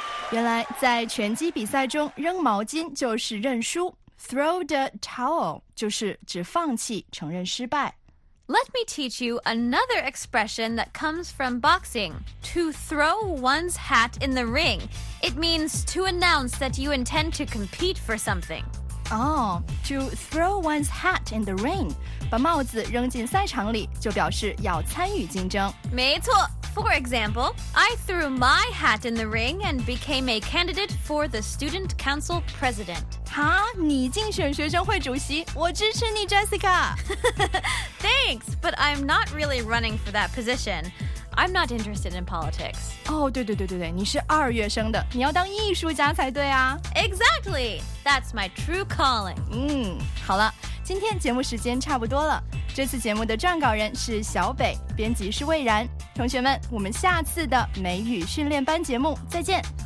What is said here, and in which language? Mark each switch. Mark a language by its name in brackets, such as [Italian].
[Chinese] 原来在拳击比赛中扔毛巾就是认输。 [English] Throw the towel [Chinese] 就是指放弃承认失败。 [English] Let me teach you another expression that comes from boxing. To throw one's hat in the ring. It means to announce that you intend to compete for something. Oh, to throw one's hat in the ring. [Chinese] 把帽子扔进赛场里就表示要参与竞争。没错。 [English] For example, I threw my hat in the ring and became a candidate for the student council president. [Chinese] 哈，你竞选学生会主席，我支持你 Jessica. [English] Thanks, but I'm not really running for that position. I'm not interested in politics. [Chinese] Oh, 对对对对对，你是二月生的，你要当艺术家才对啊。 [English] Exactly, that's my true calling. [Chinese] 嗯，好了。今天节目时间差不多了，这次节目的撰稿人是小北，编辑是蔚然。同学们，我们下次的美语训练班节目再见，